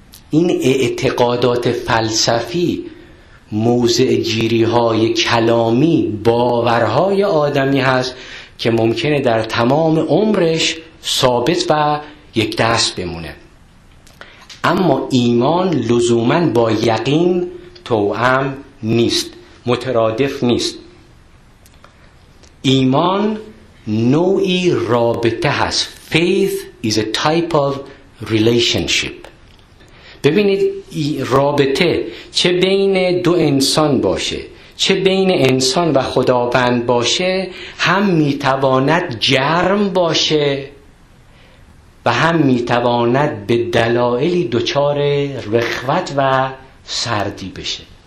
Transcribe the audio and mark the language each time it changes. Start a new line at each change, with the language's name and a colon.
Persian: این اعتقادات فلسفی، موضع گیری های کلامی، باورهای آدمی هست که ممکنه در تمام عمرش ثابت و یک دست بمونه. اما ایمان لزوماً با یقین توأم نیست، مترادف نیست. ایمان نوعی رابطه هست.
English: Faith is a type of relationship.
Persian: ببینید رابطه چه بین دو انسان باشه، چه بین انسان و خداوند باشه، هم میتواند جرم باشه و هم میتواند به دلایلی دچار رخوت و سردی بشه.